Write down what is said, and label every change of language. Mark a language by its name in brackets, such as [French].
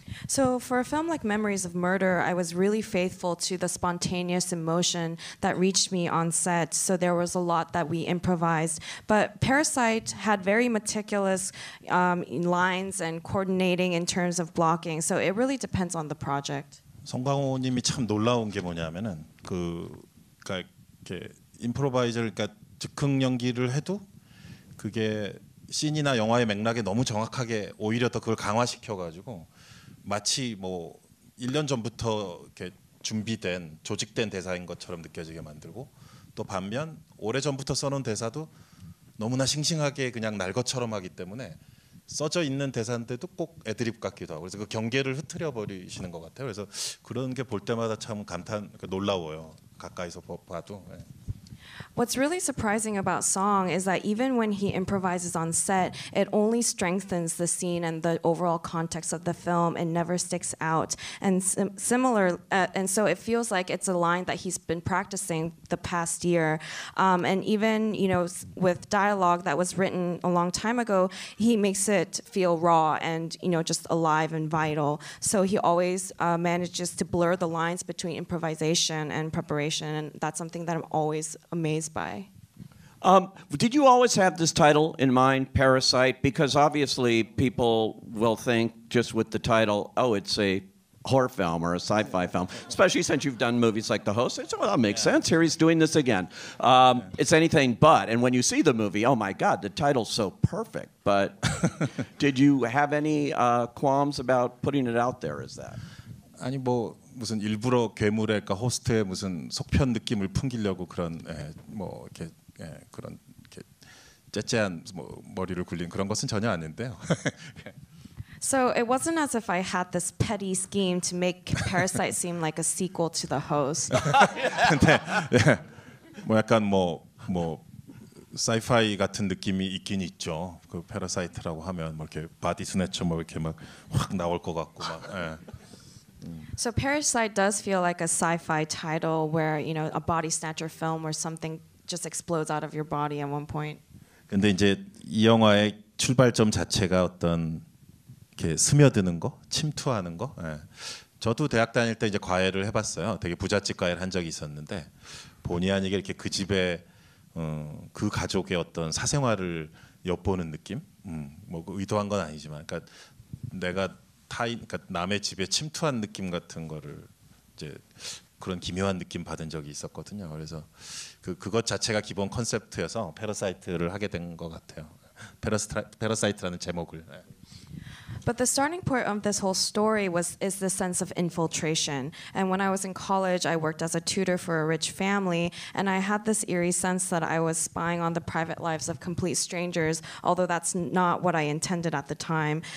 [English] So for a film like Memories of Murder, I was really faithful to the spontaneous emotion that reached me on set. So there was a lot that we improvised. But Parasite had very meticulous lines and coordinating in terms of blocking. So it really depends on the project. [Korean] 송강호님이 참 놀라운 게 뭐냐면은 그러니까 임프로바이저 그러니까 즉흥 연기를 해도 그게 씬이나 영화의 맥락에 너무 정확하게 오히려 더 그걸 강화시켜가지고 마치 뭐 1년 전부터 이렇게 준비된 조직된 대사인 것처럼 느껴지게 만들고 또 반면 오래 전부터 써놓은 대사도 너무나 싱싱하게 그냥 날 것처럼 하기 때문에 써져 있는 대사인데도 꼭 애드립 같기도 하고 그래서 그 경계를 흐트려 버리시는 것 같아요. 그래서 그런 게 볼 때마다 참 감탄 놀라워요. 가까이서 봐도. [English] What's really surprising about Song is that even when he improvises on set, it only strengthens the scene and the overall context of the film and never sticks out. And and so it feels like it's a line that he's been practicing the past year. And even, you know, with dialogue that was written a long time ago, he makes it feel raw and, you know, just alive and vital. So he always manages to blur the lines between improvisation and preparation. And that's something that I'm always amazed by. Did you always have this title in mind, Parasite? Because obviously people will think just with the title, oh, it's a horror film or a sci-fi film, especially since you've done movies like The Host. It's, well, that makes sense. Here he's doing this again. It's anything but. And when you see the movie, oh my God, the title's so perfect. But did you have any qualms about putting it out there as that? [Korean] 아니, 뭐 무슨 일부러 괴물의 그 호스트의 무슨 속편 느낌을 풍기려고 그런 뭐 이렇게 그런 이렇게 째째한 뭐 머리를 굴린 그런 것은 전혀 아닌데요. [English] So it wasn't as if I had this petty scheme to make Parasite seem like a sequel to The Host. [Korean] 근데 뭐 약간 뭐 사이파이 같은 느낌이 있긴 있죠. 그 Parasite라고 하면 뭐 이렇게 바디 스네처 뭐 이렇게 막 확 나올 것 같고 막. [English] So Parasite does feel like a sci-fi title where, you know, a body snatcher film where something just explodes out of your body at one point. [Korean] 근데 이제 이 영화의 출발점 자체가 어떤 이렇게 스며드는 거, 침투하는 거. 예. 저도 대학 다닐 때 이제 과외를 해 봤어요. 되게 부잣집 과외를 한 적이 있었는데 본의 아니게 이렇게 그 집에 그 가족의 어떤 사생활을 엿보는 느낌? 뭐 의도한 건 아니지만 그러니까 내가 그러니까 남의 집에 침투한 느낌 같은 거를 이제 그런 기묘한 느낌 받은 적이 있었거든요. 그래서 그것 자체가 기본 컨셉트여서 페러사이트를 하게 된 것 같아요. 페러사이트라는 제목을. [English] But the starting point of this whole story is the sense of infiltration. And when I was in college, I worked as a tutor for a rich family, and I had this eerie sense that I was spying on the private lives of complete strangers, although that's not what I intended at the time.